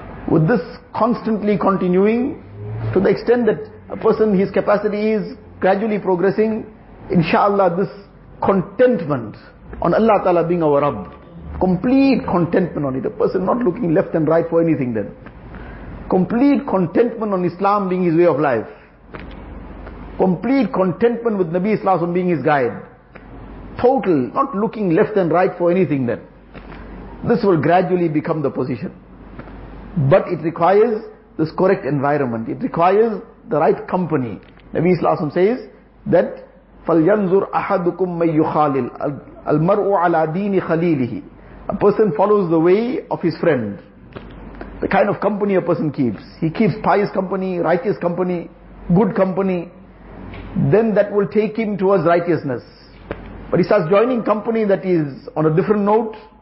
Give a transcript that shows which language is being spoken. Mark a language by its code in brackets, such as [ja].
[en] with this constantly continuing, to the extent that a person, his capacity is gradually progressing, inshallah this contentment on Allah Ta'ala being our Rabb, complete contentment on it, a person not looking left and right for anything then, complete contentment on Islam being his way of life, complete contentment with Nabi Sallallahu Alaihi Wasallam being his guide, total, not looking left and right for anything then, this will gradually become the position. But it requires this correct environment, it requires the right company. [ar] Nabi Sallallahu Alaihi Wasallam [en] says that [ar] فَلْيَنْزُرْ أَحَدُكُمْ مَنْ يُخَالِلْ الْمَرْءُ عَلَىٰ دِينِ خَلِيلِهِ. [en] A person follows the way of his friend. The kind of company a person keeps. He keeps pious company, righteous company, good company. Then that will take him towards righteousness. But he starts joining company that is on a different note.